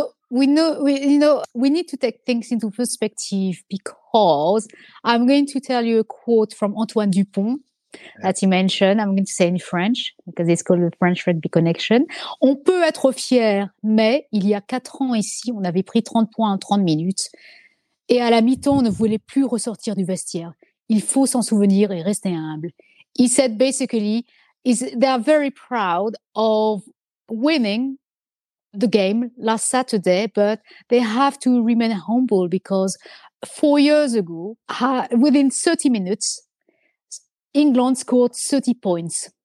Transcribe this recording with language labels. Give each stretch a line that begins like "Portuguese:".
English: We need to take things into perspective, because I'm going to tell you a quote from Antoine Dupont that he mentioned. I'm going to say in French, because it's called the French Rugby Connection.
French: On peut être fier, mais il y a 4 ans ici, on avait pris 30 points en 30 minutes. Et à la mi-temps, on ne voulait plus ressortir du vestiaire. Il faut s'en souvenir et rester humble.
English: He said basically, they are very proud of winning the game last Saturday, but they have to remain humble, because 4 years ago, within 30 minutes, England scored 30 points.